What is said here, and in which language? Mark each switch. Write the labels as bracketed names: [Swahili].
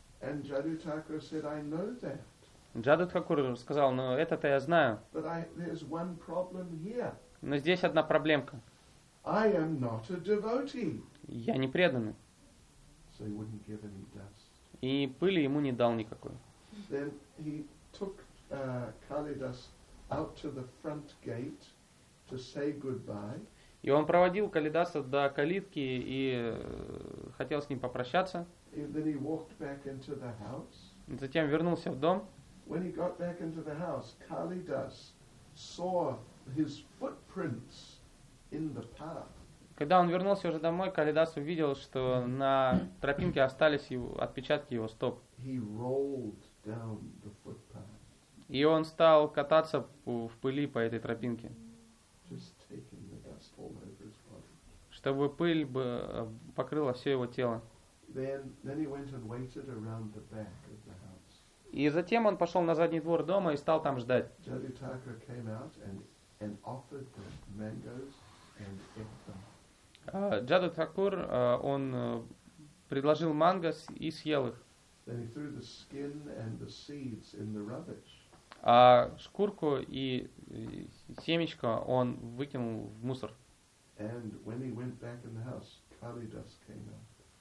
[English] And Jadu Thakur said, I know that. [Russian] Джаду Тхакур сказал, но это-то я знаю. [English] But there's one problem here. [Russian] Но здесь одна проблемка. [English] I am not a devotee. [Russian] Я не преданный. [English] So he wouldn't give any dust. [Russian] И пыли ему не дал никакой. [English] Then he took Kalidas out to the front gate to say goodbye. [Russian] И он проводил Калидаса до калитки и хотел с ним попрощаться. [English] And then he walked back into the house. [Russian] Затем вернулся в дом. [English] When he got back into the house, Kalidas saw his footprints in the path. [Russian] Когда он вернулся уже домой, Калидас увидел, что на тропинке остались его отпечатки его стоп. [English] He rolled down the footpath. [Russian] И он стал кататься в пыли по этой тропинке. [English] Just taking the dust all over his body. [Russian] Чтобы пыль бы покрыла все его тело. [English] Then he went and waited around the back of the house. [Russian] И затем он пошел на задний двор дома и стал там ждать. [English] Jadu Thakur came out and offered the mangoes and ate them. [Russian] Jadu Thakur, он предложил манго и съел их. [English] Then he threw the skin and the seeds in the rubbish. [Russian] А шкурку и семечко он выкинул в мусор. [English] And when he went back in the house, Kalidas came out.